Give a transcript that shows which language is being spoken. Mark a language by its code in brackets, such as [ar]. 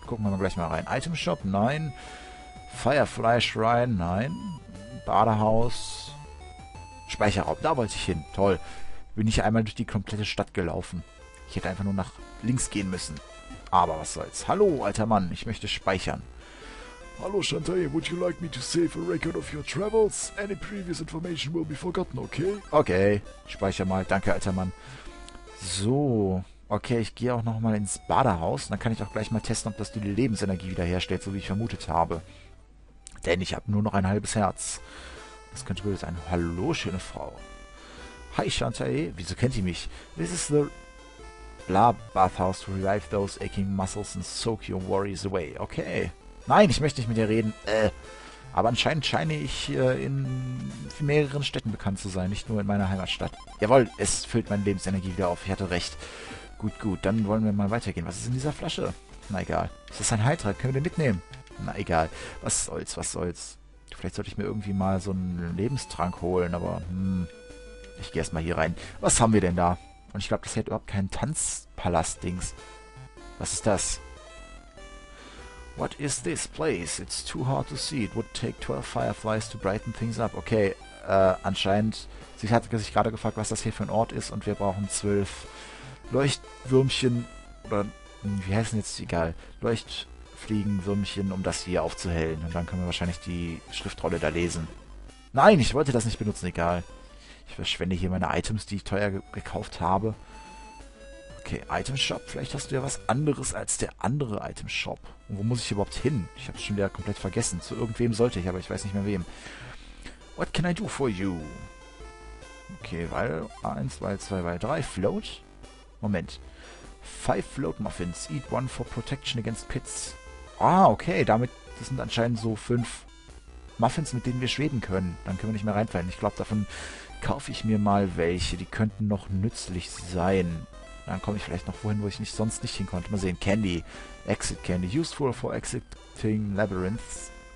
[de] Gucken wir mal gleich mal rein. Item Shop, nein. Firefly Shrine, nein. Badehaus. Speicherraum, da wollte ich hin. Toll. Bin ich einmal durch die komplette Stadt gelaufen. Ich hätte einfach nur nach links gehen müssen. Aber was soll's. Hallo, alter Mann, ich möchte speichern. Hallo, Shantae. [en] Would you like me to save a record of your travels? Any previous information will be forgotten, okay? [de] Okay, speicher mal. Danke, alter Mann. So, okay, ich gehe auch nochmal ins Badehaus. Dann kann ich auch gleich mal testen, ob das die Lebensenergie wiederherstellt, so wie ich vermutet habe. Denn ich habe nur noch ein halbes Herz. Das könnte böse sein. Hallo, schöne Frau. Hi, Shantae. Wieso kennt ihr mich? [en] This is the... Blah, Bathhouse to revive those aching muscles and soak your worries away. Okay. [de] Nein, ich möchte nicht mit dir reden. Aber anscheinend scheine ich in mehreren Städten bekannt zu sein, nicht nur in meiner Heimatstadt. Jawohl, es füllt meine Lebensenergie wieder auf. Ich hatte recht. Gut, gut, dann wollen wir mal weitergehen. Was ist in dieser Flasche? Na egal. Ist das ein Heiltrank? Können wir den mitnehmen? Na egal. Was soll's, was soll's. Vielleicht sollte ich mir irgendwie mal so einen Lebenstrank holen, aber ich gehe erstmal hier rein. Was haben wir denn da? Und ich glaube, das hält überhaupt keinen Tanzpalast-Dings. Was ist das? [en] What is this place? It's too hard to see. It would take 12 fireflies to brighten things up. [de] Okay, anscheinend... Sie hat sich gerade gefragt, was das hier für ein Ort ist. Und wir brauchen 12 Leuchtwürmchen. Oder wie heißen jetzt? Egal. Leuchtfliegenwürmchen, um das hier aufzuhellen. Und dann können wir wahrscheinlich die Schriftrolle da lesen. Nein, ich wollte das nicht benutzen. Egal. Ich verschwende hier meine Items, die ich teuer gekauft habe. Okay, Itemshop. Vielleicht hast du ja was anderes als der andere Itemshop. Und wo muss ich überhaupt hin? Ich habe es schon wieder komplett vergessen. Zu irgendwem sollte ich, aber ich weiß nicht mehr wem. [en] What can I do for you? Okay, [de] weil 1, weil 2, weil 3. [en] Float? Moment. 5 Float Muffins. Eat one for protection against pits. Ah, okay. [de] Damit, das sind anscheinend so 5 Muffins, mit denen wir schweben können. Dann können wir nicht mehr reinfallen. Ich glaube, davon kaufe ich mir mal welche. Die könnten noch nützlich sein. Dann komme ich vielleicht noch wohin, wo ich nicht sonst nicht hin konnte. Mal sehen. [en] Candy. Exit Candy. Useful for exiting Labyrinths.